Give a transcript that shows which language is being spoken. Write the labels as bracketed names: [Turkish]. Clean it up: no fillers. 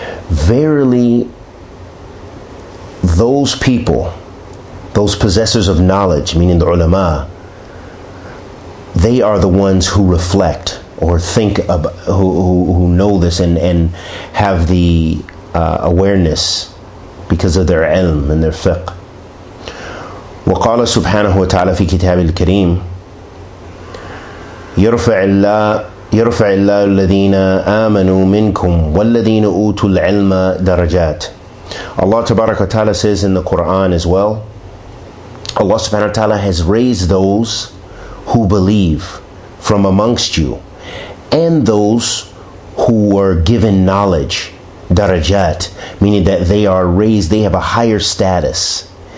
[English] Verily, those people, those possessors of knowledge, meaning the ulama, they are the ones who reflect or think about, who know this and have the awareness because of their ilm and their fiqh. [Arabic] وقال سبحانه وتعالى في كتاب الكريم يرفع الله الذين آمنوا منكم والذين أوتوا العلم درجات. [English] Allah تبارك وتعالى says in the Quran as well, Allah subhanahu wa ta'ala has raised those who believe from amongst you and those who were given knowledge, درجات, meaning that they are raised, they have a higher status.